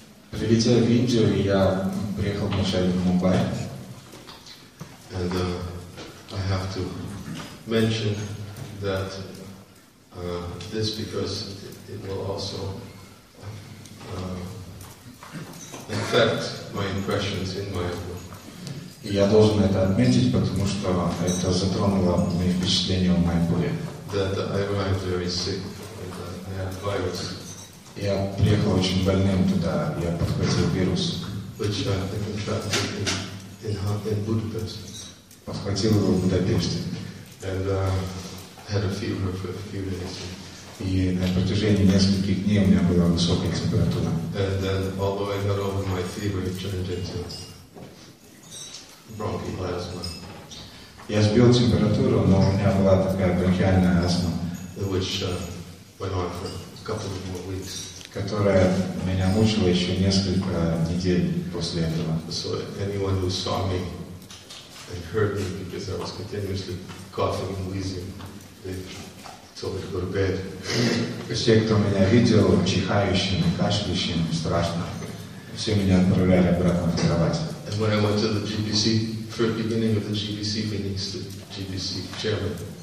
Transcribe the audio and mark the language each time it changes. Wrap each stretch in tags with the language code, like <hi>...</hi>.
<ru>Прилетел в Индию, и я приехал вначале в Мумбай.</ru> <en>And I have to mention that this because it will also affect my impressions in my work.</en> <ru>И я должен это отметить, потому что это затронуло мои впечатления в Майпуре.</ru> <en>That I arrived very sick. I had virus.</en> <ru>Я приехал очень больным туда, я подхватил вирус.</ru> <en>Which I contracted in Budapest.</en> <ru>Подхватил его в Будапеште.</ru> <en>And had a fever for a few days.</en> <ru>И на протяжении нескольких дней у меня была высокая температура.</ru> <en>And then, although I got over my fever, it turned into bronchoplasma.</en> <ru>Я сбил температуру, но у меня была такая бронхиальная астма.</ru> <en>Which went on for a couple of more weeks.</en> <ru>Которая меня мучила еще несколько недель после этого.</ru> <en>So anyone who saw me and heard me, because I was continuously coughing and wheezing, they told me to go to bed.</en> <ru>Все, кто меня видел, чихающим, кашляющим, страшно, все меня отправляли обратно в кровать.</ru> <en>And when I went to the GBC, for the beginning of the GBC meetings, the GBC chairman,</en>